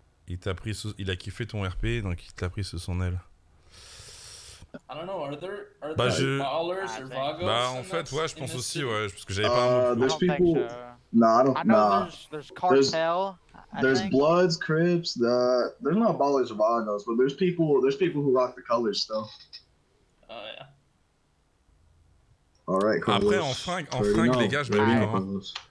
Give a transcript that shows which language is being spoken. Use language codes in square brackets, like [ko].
[fr] Il a kiffé ton RP, donc il te l'a pris sous son aile. [en] I don't know, are there ballers or vagos? [fr] Bah en fait, ouais, je pense aussi, ouais, parce que j'avais pas un mot. [en] There's people. Nah, I don't know. There's cartel. There's bloods, crips. There's not ballers or vagos, but there's people who rock the colors still. Oh yeah. All right, Carlos. [fr] Après en fringue, les gars, je me dis.